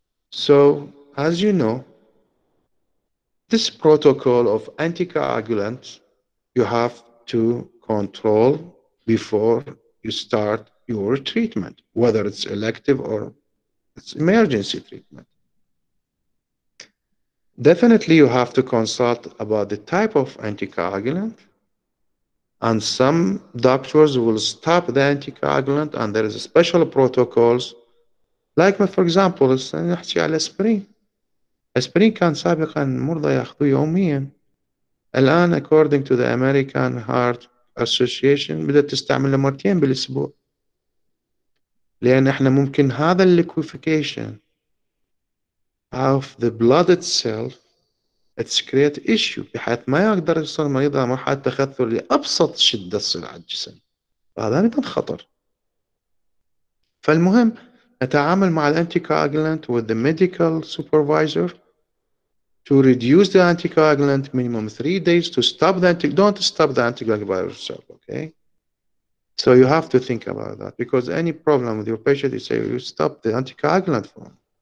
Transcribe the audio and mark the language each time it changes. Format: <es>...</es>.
<en>So, as you know, this protocol of anticoagulant, you have to control before you start your treatment, whether it's elective or it's emergency treatment. Definitely, you have to consult about the type of anticoagulant. And some doctors will stop the anticoagulant, and there is a special protocols. Like, for example, aspirin.</en> <ar>Aspirin كان سابقا مرضى ياخذوا يوميا.</ar> <en>الآن, according to the American Heart Association,</en> <ar>بدأت تستعمل مرتين بالأسبوع. لأن إحنا ممكن هذا</ar> <en>liquefaction of the blood itself, it's create issue</en> <ar>بحيث ما يقدر يصير المريض على مرحلة تخثر لأبسط شدة تصير على الجسم, فهذا أيضا خطر. فالمهم نتعامل مع</ar> <en>الانتيكواجلانت with the medical supervisor to reduce the anticoagulant minimum 3 days to stop the anticoagulant. Don't stop the anticoagulant by yourself, okay? So you have to think about that, because any problem with your patient, you say you stop the anticoagulant for them.</en>